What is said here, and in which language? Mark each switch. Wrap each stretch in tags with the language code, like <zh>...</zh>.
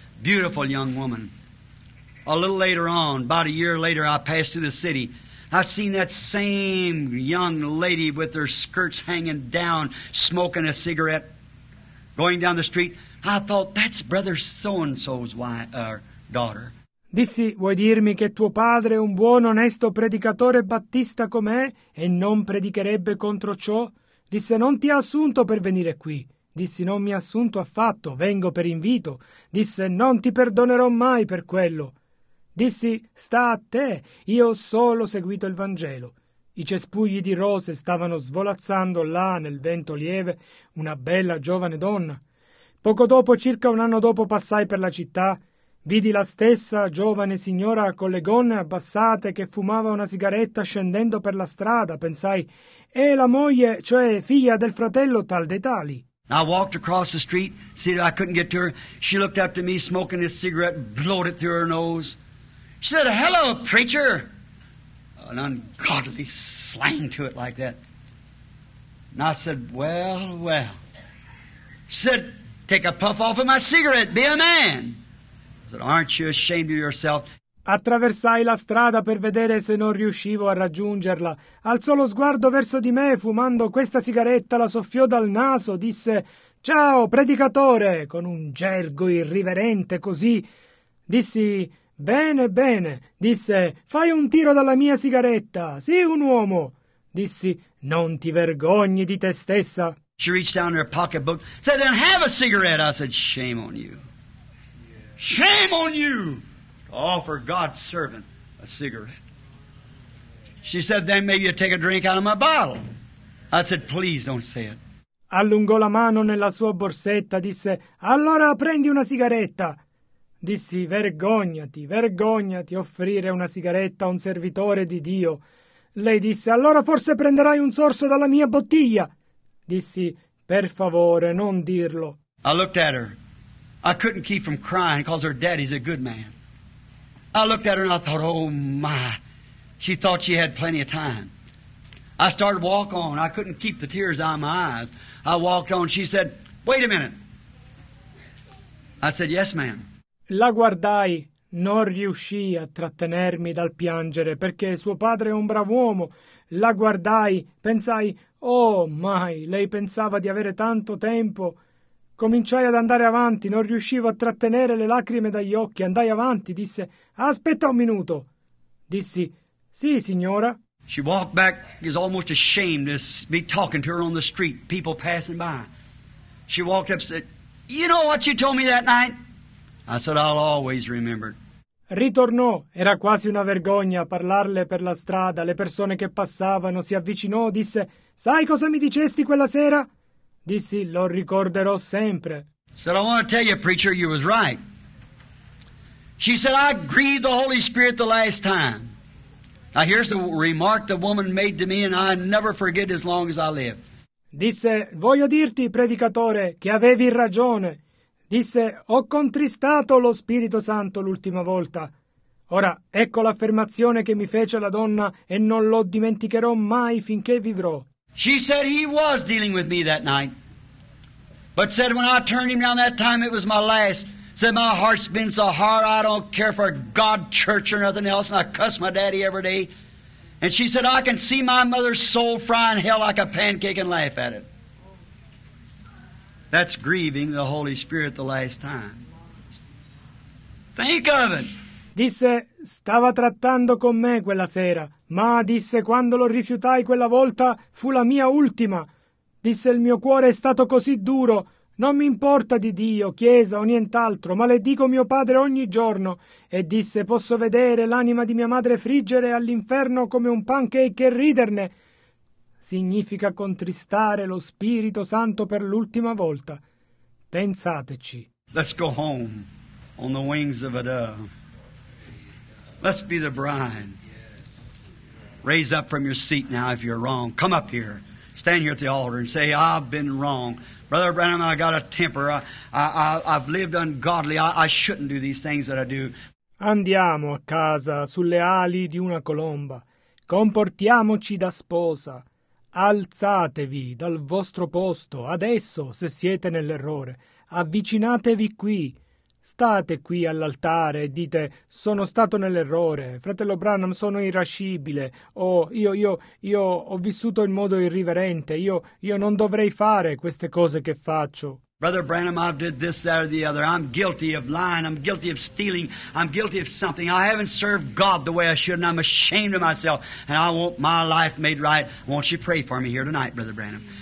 <en>Beautiful young woman. A little later on, about a year later, I passed through the city. I seen that same young lady with her skirts hanging down, smoking a cigarette, going down the street. I thought, that's brother so-and-so's daughter.</en> <it>Dissi, vuoi dirmi che tuo padre è un buon, onesto predicatore battista com'è e non predicherebbe contro ciò? Disse, non ti ha assunto per venire qui. Dissi, non mi ha assunto affatto, vengo per invito. Disse, non ti perdonerò mai per quello. Dissi, sta a te, io ho solo seguito il Vangelo. I cespugli di rose stavano svolazzando là nel vento lieve, una bella giovane donna. Poco dopo, circa un anno dopo, passai per la città, vidi la stessa giovane signora con le gonne abbassate che fumava una sigaretta scendendo per la strada. Pensai, è la moglie, cioè figlia del fratello tal dei tali.</it> <en>I walked across the street, said I couldn't get to her. She looked up to me, smoking a cigarette, blowed it through her nose. She said, hello, preacher. An ungodly slang to it like that. And I said, well, well. She said, take a puff off of my cigarette, be a man. I said, aren't you ashamed of yourself?</en> <it>Attraversai la strada per vedere se non riuscivo a raggiungerla. Alzò lo sguardo verso di me, fumando questa sigaretta, la soffiò dal naso, disse, ciao, predicatore, con un gergo irriverente così. Dissi, bene, bene, disse, fai un tiro dalla mia sigaretta, sii un uomo. Dissi, non ti vergogni di te stessa.</it> <en>She reached down her pocketbook, said, then have a cigarette. I said, shame on you. Shame on you to offer God's servant a cigarette. She said, then maybe you take a drink out of my bottle. I said, please don't say it.</en> <it>Allungò la mano nella sua borsetta, disse, allora prendi una sigaretta. Dissi, vergognati, vergognati offrire una sigaretta a un servitore di Dio. Lei disse, allora forse prenderai un sorso dalla mia bottiglia. Dissi, per favore, non dirlo.</it> <en>I looked at her. I couldn't keep from crying because her daddy's a good man. I looked at her and I thought, oh my, she thought she had plenty of time. I started to walk on. I couldn't keep the tears out of my eyes. I walked on. She said, wait a minute. I said, yes, ma'am.</en> <it>La guardai, non riuscii a trattenermi dal piangere, perché suo padre è un bravo uomo. La guardai, pensai, oh mai, lei pensava di avere tanto tempo. Cominciai ad andare avanti, non riuscivo a trattenere le lacrime dagli occhi. Andai avanti, disse, aspetta un minuto. Dissi, sì, signora.</it> <en>She walked back, is almost ashamed to be talking to her on the street, people passing by. She walked up and said, you know what you told me that night? I said, I'll always remember.</en> <it>Ritornò. Era quasi una vergogna parlarle per la strada. Le persone che passavano si avvicinò. Disse, sai cosa mi dicesti quella sera? Dissi, lo ricorderò sempre.</it> <en>Said, I want to tell you, preacher, you was right. She said, I grieved the Holy Spirit the last time. Now here's the remark the woman made to me, and I never forget as long as I live.</en> <it>Disse, voglio dirti, predicatore, che avevi ragione. Disse, ho contristato lo Spirito Santo l'ultima volta. Ora, ecco l'affermazione che mi fece la donna e non lo dimenticherò mai finché vivrò.</it> <en>She said he was dealing with me that night. But said when I turned him down that time it was my last. Said my heart's been so hard I don't care for God, church or nothing else, and I cuss my daddy every day. And she said I can see my mother's soul fry in hell like a pancake and laugh at it. That's grieving the Holy Spirit the last time. Think of it.</en> <it>Disse, stava trattando con me quella sera, ma, disse, quando lo rifiutai quella volta, fu la mia ultima. Disse, il mio cuore è stato così duro, non mi importa di Dio, Chiesa o nient'altro, maledico mio padre ogni giorno. E disse, posso vedere l'anima di mia madre friggere all'inferno come un pancake e riderne. Significa contristare lo Spirito Santo per l'ultima volta. Pensateci.</it> <en>Let's go home on the wings of a dove. Let's be the bride. Raise up from your seat now if you're wrong. Come up here. Stand here at the altar and say, I've been wrong. Brother Branham, I got a temper. I've lived ungodly. I shouldn't do these things that I do.</en> <it>Andiamo a casa sulle ali di una colomba. Comportiamoci da sposa. Alzatevi dal vostro posto. Adesso, se siete nell'errore, avvicinatevi qui. State qui all'altare e dite, sono stato nell'errore, fratello Branham, sono irascibile, o io ho vissuto in modo irriverente, io non dovrei fare queste cose che faccio.</it> <en>Brother Branham, I've did this, that, or the other. I'm guilty of lying, I'm guilty of stealing, I'm guilty of something. I haven't served God the way I should, and I'm ashamed of myself, and I want my life made right. Won't you pray for me here tonight, Brother Branham?</en>